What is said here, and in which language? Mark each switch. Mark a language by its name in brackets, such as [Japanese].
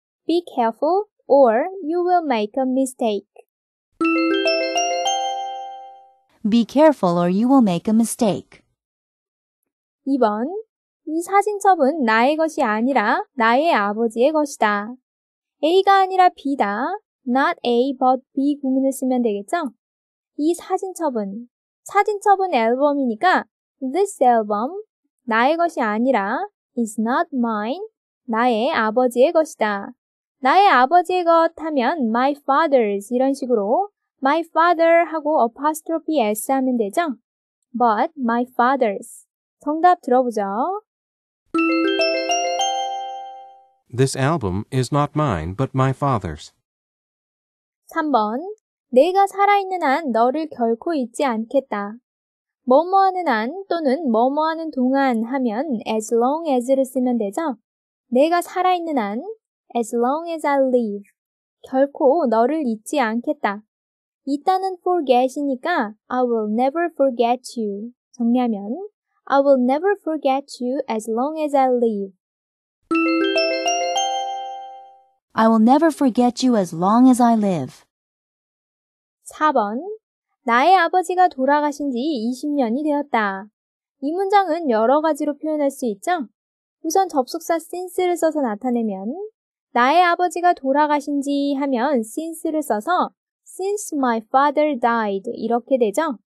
[English] be careful or you will make a mistake. Be careful or you will make a mistake. [Korean] 2번 이 사진첩은 나의 것이 아니라 나의 아버지의 것이다. A가 아니라 B다. Not A but B 구문을 쓰면 되겠죠? 이 사진첩은 사진첩은 앨범이니까 This album 나의 것이 아니라 [English] is not mine [Korean] 나의 아버지의 것이다. 나의 아버지의 것 하면 my father's 이런 식으로 My father 하고 apostrophe s 하면 되죠? [English] But my father's. [Korean] 정답 들어보죠. [English] This album is not mine, but my father's. [Korean] 3번. 내가 살아있는 한 너를 결코 잊지 않겠다. 뭐뭐하는 한 또는 뭐뭐하는 동안 하면 as long as를 쓰면 되죠? 내가 살아있는 한 [English] as long as I live. [Korean] 결코 너를 잊지 않겠다. [English] 있다는 forget이니까 I will never forget you. [Korean] 정리하면 [English] I will never forget you as long as I live. I will never forget you as long as I live. [Korean] 4번 나의 아버지가 돌아가신 지 20년이 되었다. 이 문장은 여러 가지로 표현할 수 있죠? 우선 접속사 since를 써서 나타내면 나의 아버지가 돌아가신 지 하면 since를 써서 [English] since my father died [Korean] 이렇게 되죠.